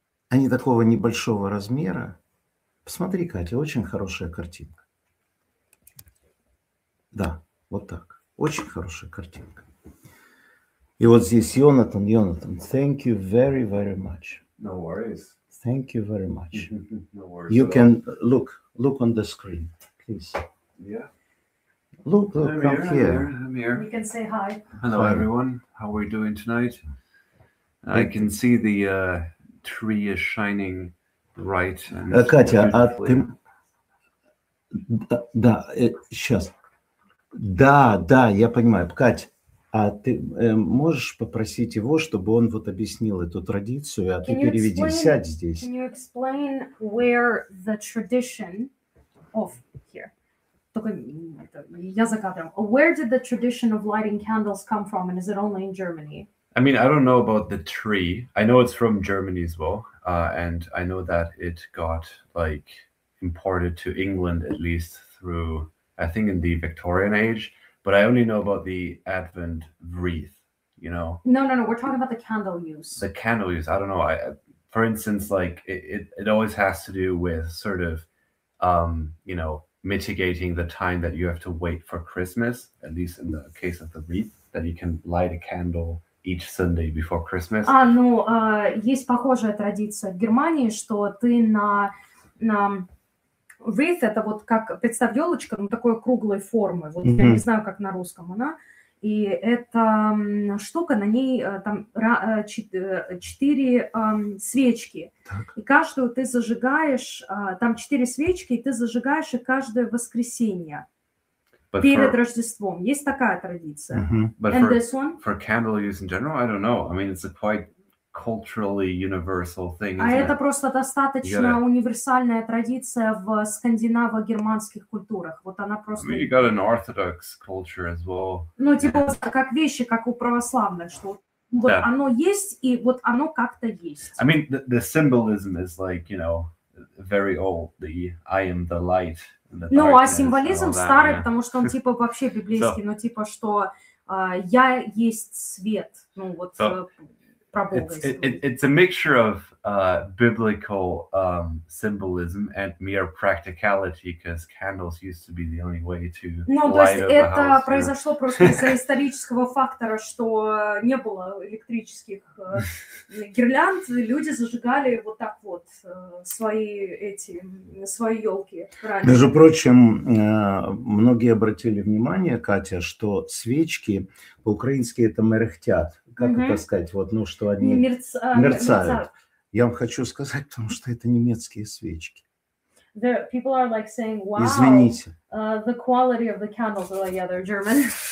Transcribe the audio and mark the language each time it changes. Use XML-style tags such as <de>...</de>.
<ru>Они такого небольшого размера. Посмотри, Катя, очень хорошая картинка. Да, Вот так. Очень хорошая картинка. И вот здесь Йонатан, Йонатан,</ru> <en>thank you very, very much. No worries. Thank you very much. No worries. You can look on the screen, please. Yeah. Look, I'm come here. I'm here. We can say hi. Hello, everyone. How are we doing tonight? I can see the tree is shining bright.</en> <ru>Катя, а ты... Да, сейчас. Да, я понимаю. Кать, а ты можешь попросить его, чтобы он вот объяснил эту традицию, а ты переведи, сядь здесь.</ru> <en>Can you explain where the tradition of... Here.</en> <ru>Только я за кадром.</ru> <en>Where did the tradition of lighting candles come from, and is it only in Germany? I mean, I don't know about the tree. I know it's from Germany as well, and I know that it got, like, imported to England at least through, I think, in the Victorian age. But I only know about the Advent wreath, you know? No. We're talking about the candle use. The candle use. I don't know. For instance, like, it always has to do with sort of, you know, mitigating the time that you have to wait for Christmas, at least in the case of the wreath, that you can light a candle each Sunday before Christmas.</en> <ru>Есть похожая традиция в Германии, что ты на wreath, это вот как, представь, ёлочка, но такой круглой формы, вот mm-hmm. я не знаю, как на русском она, и эта штука, на ней там четыре свечки, так. И каждую ты зажигаешь, там четыре свечки, и ты зажигаешь их каждое воскресенье.</ru> <en>But</en> <ru>перед</ru> <en>for...</en> <ru>Рождеством. Есть такая традиция.</ru> <en>Mm-hmm. But and for, this one? For candle use in general, I don't know. I mean, it's a quite culturally universal thing.</en> <ru>А это просто достаточно универсальная традиция в скандинаво-германских культурах. Вот она просто...</ru> <en>I mean, you got an orthodox culture as well.</en> <ru>Ну, типа, как вещи, как у православных, что вот оно есть, и вот оно как-то есть.</ru> <en>I mean, the symbolism is like, you know, very old. The I am the light.</en> <ru>Ну, а символизм старый, потому что он типа вообще библейский, но типа что я есть свет, ну вот про Бога.</ru> <en>It's a mixture of biblical symbolism and mere practicality, because candles used to be the only way to light up a house.</en> <ru>Ну, то есть это произошло просто из-за исторического фактора, что не было электрических гирлянд, люди зажигали вот так вот свои елки раньше. Между прочим, многие обратили внимание, Катя, что свечки по-украински это мерехтят. Как mm-hmm. это сказать? Вот, ну, что они мерцают. Я вам хочу сказать, потому что это немецкие свечки.</ru> <en>The people are like saying, wow.</en> <ru>Извините.</ru> <en>The quality of the candles are like, yeah, they're German.</en>